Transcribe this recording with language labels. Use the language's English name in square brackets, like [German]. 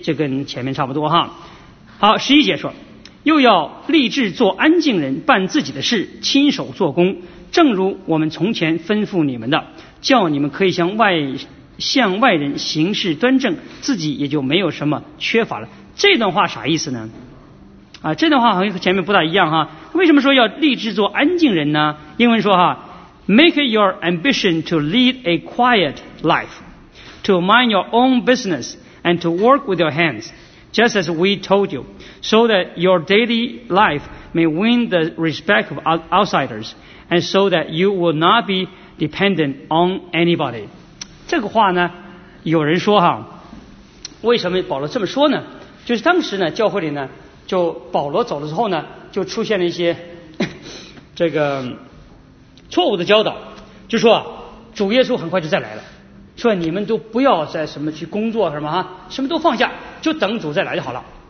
[Chinese] 这跟前面差不多哈。好，十一节说，又要立志做安静人，办自己的事，亲手做工，正如我们从前吩咐你们的，叫你们可以向外人行事端正，自己也就没有什么缺乏了。这段话啥意思呢？这段话好像和前面不大一样哈。为什么说要立志做安静人呢？英文说哈， [English] Make your ambition to lead a quiet life, to mind your own businessand to work with your hands, just as we told you, so that your daily life may win the respect of outsiders, and so that you will not be dependent on anybody. [Chinese] 这个话呢，有人说哈，为什么保罗这么说呢？就是当时呢，教会里呢，就保罗走了之后呢，就出现了一些这个错误的教导，就说主耶稣很快就再来了，说你们都不要再什么去工作什么哈，什么都放下，就等主再来就好了。